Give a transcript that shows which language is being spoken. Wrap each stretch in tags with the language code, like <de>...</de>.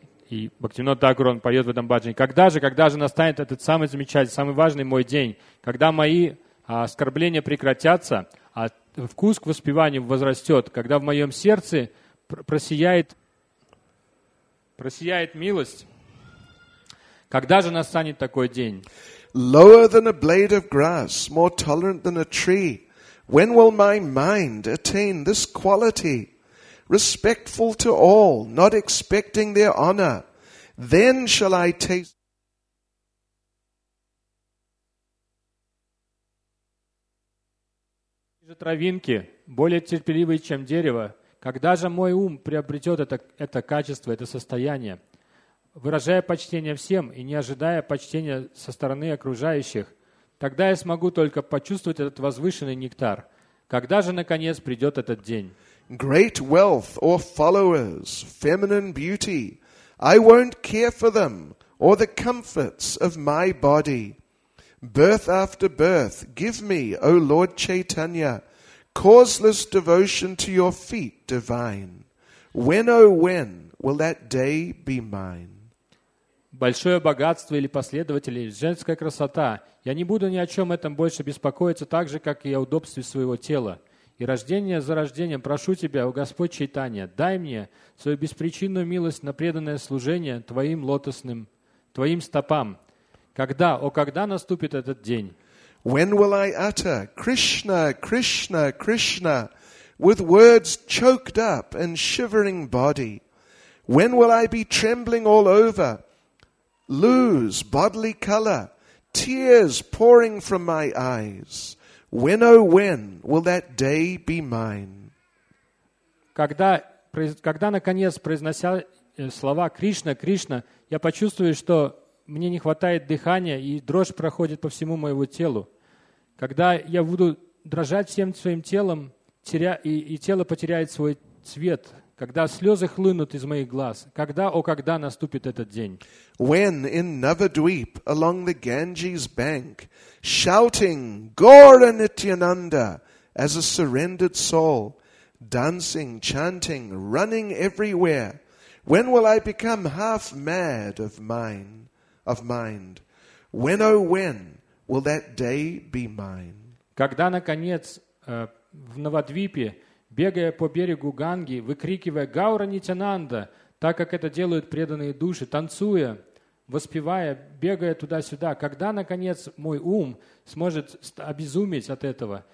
<ru>И Бхактивинод Тхакур поет в этом баджане. Когда же настанет этот самый замечательный, самый важный мой день? Когда мои оскорбления прекратятся, а вкус к воспеванию возрастет? Когда в моем сердце просияет милость? Когда же настанет такой день?</ru> <en>Lower than a blade of grass, more tolerant than a tree. When will my mind attain this quality? Respectful to all, not expecting their honor, then shall I taste.</en> <ru>Ниже травинки, более терпеливый, чем дерево, когда же мой ум приобретет это качество, это состояние? Выражая почтение всем и не ожидая почтения со стороны окружающих, тогда я смогу только почувствовать этот возвышенный нектар. Когда же, наконец, придет этот день?</ru> <en>Great wealth or followers, feminine beauty, I won't care for them or the comforts of my body. Birth after birth, give me, O Lord Chaitanya, causeless devotion to your feet divine. When, O when, will that day be mine?</en> <ru>Большое богатство или последователи, женская красота. Я не буду ни о чем этом больше беспокоиться, так же, как и о удобстве своего тела. И рождение за рождением прошу Тебя, о Господь Чайтанья, дай мне свою беспричинную милость на преданное служение Твоим лотосным, Твоим стопам. Когда, о когда наступит этот день?</ru> <en>When will I utter Krishna, Krishna, Krishna with words choked up and shivering body? When will I be trembling all over? Lose bodily color, tears pouring from my eyes. When, oh, when will that day be mine?</en> <ru>Когда наконец, произнося слова Кришна, Кришна, я почувствую, что мне не хватает дыхания и дрожь проходит по всему моему телу. Когда я буду дрожать всем своим телом, и тело потеряет свой цвет. Когда слезы хлынут из моих глаз, когда, о когда наступит этот день?</ru> <en>When in Navadweep along the Ganges bank, shouting Gaura Nityananda as a surrendered soul, dancing, chanting, running everywhere, when will I become half mad of mind? When, oh, when will that day be mine?</en> <ru>Когда, наконец, в Навадвипе, бегая по берегу Ганги, выкрикивая «Гаура Нитянанда», так как это делают преданные души, танцуя, воспевая, бегая туда-сюда. Когда, наконец, мой ум сможет обезуметь от этого?</ru>